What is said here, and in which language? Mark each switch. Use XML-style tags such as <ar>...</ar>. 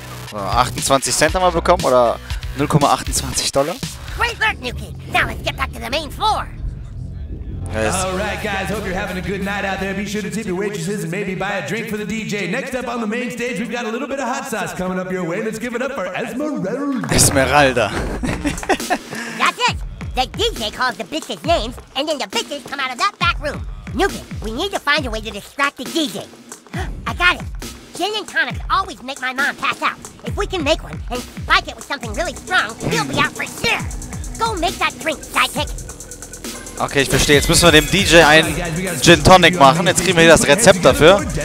<de>So, 28 Cent haben wir bekommen, oder 0,28 $?</de> <en>Great work, New Kid. Now let's get back to the main floor. Yes. All right, guys, hope you're having a good night out there. Be sure to tip your waitresses and maybe buy a drink for the DJ. Next up on the main stage, we've got a little bit of hot sauce coming up your way. Let's give it up for Esmeralda. Esmeralda. That's it. The DJ calls the bitches names, and then the bitches come out of that back room. Nugent, we need to find a way to distract the DJ. I got it. Gin and tonics always make my mom pass out. If we can make one and spike it with something really strong, he'll be out for sure. Go make that drink, sidekick.</en> <de>Okay, ich verstehe. Jetzt müssen wir dem DJ einen Gin Tonic machen. Jetzt kriegen wir hier das Rezept dafür.</de>